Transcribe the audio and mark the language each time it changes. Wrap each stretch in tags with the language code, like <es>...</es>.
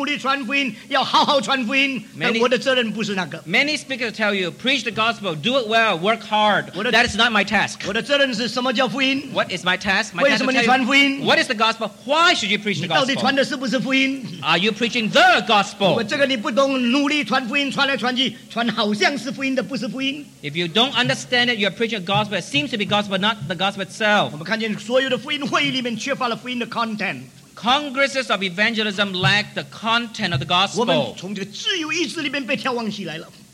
<zh>有很多的讲员都告诉我们要多多传福音，努力传福音，要好好传福音。但我的责任不是那个。</zh> <en>Many speakers tell you, preach the gospel, do it well, work hard. That is not my task.</en> <zh>我的责任是什么叫福音?</zh> <en>What is my task? My</en> <zh>为什么你传福音?</zh> <en>What is the gospel? Why should you preach the gospel?</en> <zh>你到底传的是不是福音?</zh> <en>Are you preaching the gospel?</en> <zh>我这个你不懂，努力传福音，传来传去。</zh> <en>If you don't understand it, you're preaching a gospel. It seems to be gospel, not the gospel itself. Congresses of evangelism lack the content of the gospel.</en>